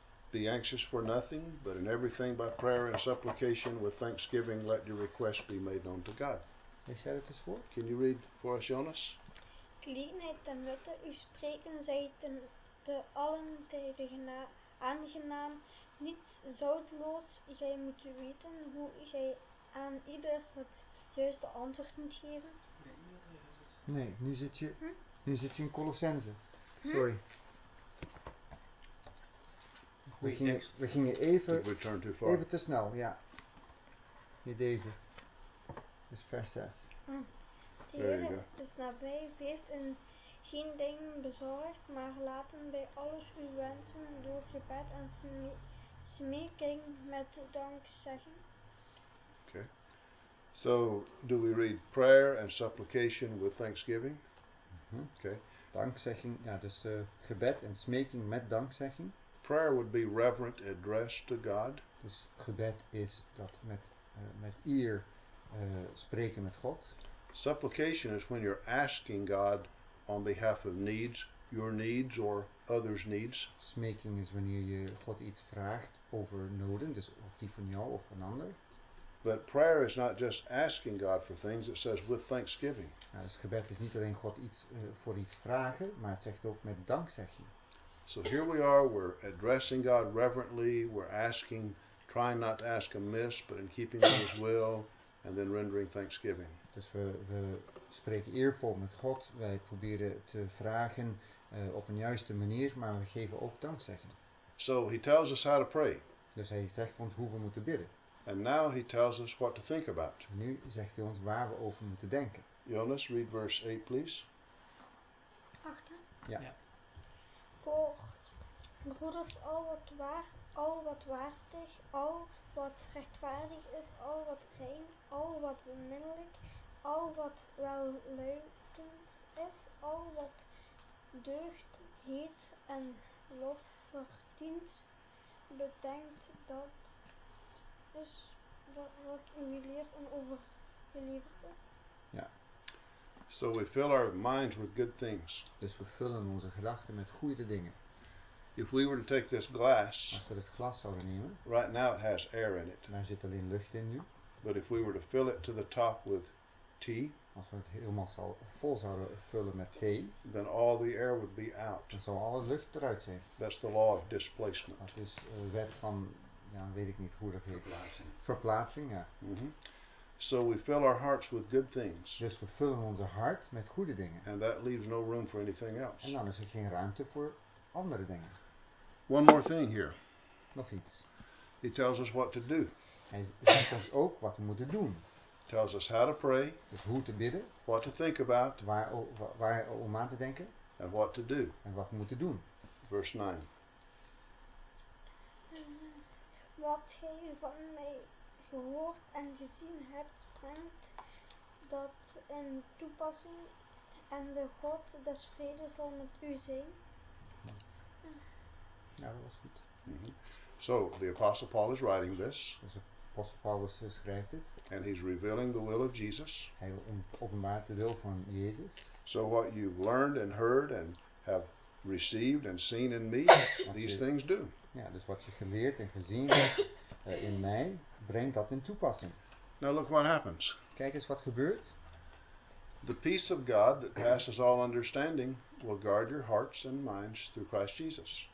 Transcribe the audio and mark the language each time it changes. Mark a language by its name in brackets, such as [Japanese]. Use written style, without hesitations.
[English] Be anxious for nothing, but in everything by prayer and supplication with thanksgiving let your requests be made known to God. [Dutch] Hij zei het eens voor. [English] Can you read for us, Jonas? [Dutch] Kleinheid en witte, u spreken zij te allen tijden aangenaam, niet zoutloos, jij moet weten hoe jij aan ieder het juiste antwoord moet geven. Nee, nu zit je in Colossense. Sorry. We gingen even te snel, ja. Hier deze. Dus vers 6. De Heer is nabij, wees in geen ding bezorgd, maar laten bij alles uw wensen door gebed en smeking met dankzegging. [English] So, do we read prayer and supplication with thanksgiving? Mm-hmm. Okay. [Dutch] Dankzegging, ja, dus gebed en smeking met dankzegging. [English] Prayer would be reverent address to God. [Dutch] Dus gebed is dat met eer spreken met God. [English] Supplication is when you're asking God on behalf of needs, your needs or others' needs. [Dutch] Smeking is wanneer je God iets vraagt over noden, dus of die van jou of van ander. [English] But prayer is not just asking God for things, it says with thanksgiving. [Dutch] Ja, dus gebed is niet alleen God iets voor iets vragen, maar het zegt ook met dankzegging. [English] So here we are, we're addressing God reverently, we're asking, trying not to ask amiss, but in keeping with His will, and then rendering thanksgiving. [Dutch] Dus we spreken eervol met God. Wij proberen te vragen op een juiste manier, maar we geven ook dankzegging. [English] So he tells us how to pray. [Dutch] Dus hij zegt ons hoe we moeten bidden. [English] And now he tells us what to think about. [Dutch] Nu zegt hij ons waar we over moeten denken. [English] Jonas, read verse 8, please. 8. [Dutch] Ja. Voort. Broeders, al wat waar, al wat waardig, al wat rechtvaardig is, al wat rein, al wat beminnelijk, al wat welluidend is, al wat deugd heet en lof verdient, bedenkt dat is dat wat in je leer en overgeleverd is. Ja. [English] So we fill our minds with good things. [Dutch] Dus we vullen onze gedachten met goede dingen. [English] If we were to take this glass, [Dutch] als we dit glas zouden nemen, [English] right now it has air in it. [Dutch] Daar zit alleen lucht in nu. [English] But if we were to fill it to the top with tea, [Dutch] als we het helemaal vol zouden vullen met thee, [English] then all the air would be out. [Dutch] Dan zou alle lucht eruit zijn. [English] That's the law of displacement. [Dutch] Dat is wet van, ja, weet ik niet hoe dat heet. Verplaatsing. Verplaatsing, ja. Mm-hmm. [English] So we fill our hearts with good things. [Dutch] Dus we vullen onze hart met goede dingen. [English] And that leaves no room for anything else. [Dutch] En dan is er geen ruimte voor andere dingen. [English] One more thing here. [Dutch] Nog iets. [English] He tells us what to do. [Dutch] Hij zegt ons ook wat we moeten doen. [English] Tells us how to pray. [Dutch] Dus hoe te bidden. [English] What to think about. [Dutch] Waar om aan te denken. [English] And what to do. [Dutch] En wat we moeten doen. [English] Verse 9. [Dutch] Wat gij van mij gehoord en gezien hebt, brengt dat in toepassing en de God des vredes zal met u zijn. Ja, dat was goed. Mm-hmm. [English] So, the Apostle Paul is writing this. [Dutch] Dus Apostel Paulus schrijft dit. [English] And he's revealing the will of Jesus. [Dutch] Hij openbaart de wil van Jezus. [English] So what you've learned and heard and have received and seen in me, these things do. [Dutch] Ja, dus wat je geleerd en gezien hebt in mij, brengt dat in toepassing. [English] Now look what happens. [Dutch] Kijk eens wat gebeurt. [English] The peace of God that passes all understanding will guard your hearts and minds through Christ Jesus.